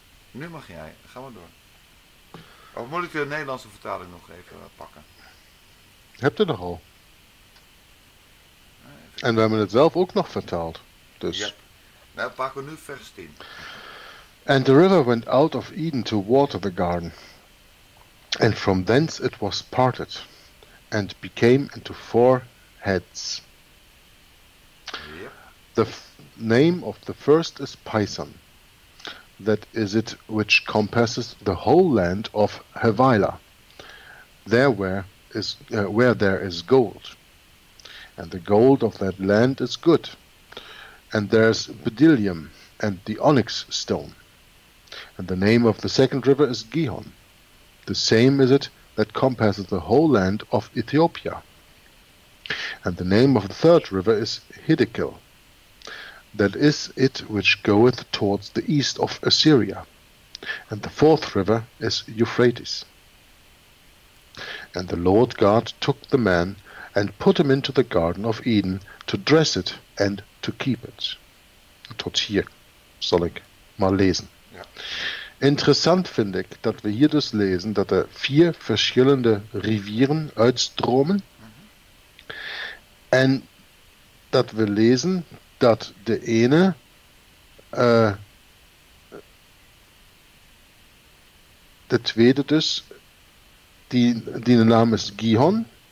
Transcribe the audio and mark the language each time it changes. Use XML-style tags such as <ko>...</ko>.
<nl>Nu mag jij, ga maar door. Of moet ik de Nederlandse vertaling nog even pakken? Heb je nog al. En we hebben het zelf ook nog vertaald. Dus. Ja. Nou, pakken we nu vers 10.</nl> <en>And the river went out of Eden to water the garden. And from thence it was parted. And became into four heads.</en> <nl>Ja.</nl> <en>The name of the first is Pison. That is it which compasses the whole land of Havilah. Where there is gold, and the gold of that land is good, and there is bdellium and the onyx stone, and the name of the second river is Gihon, the same is it that compasses the whole land of Ethiopia, and the name of the third river is Hiddekel, that is it which goeth towards the east of Assyria, and the fourth river is Euphrates. And the Lord God took the man and put him into the garden of Eden to dress it and to keep it.</en> <nl>Tot hier zal ik maar lezen. Ja. Interessant vind ik dat we hier dus lezen dat er vier verschillende rivieren uitstromen. Mhm. En dat we lezen dat de ene de tweede dus die de naam is Gihon.</nl>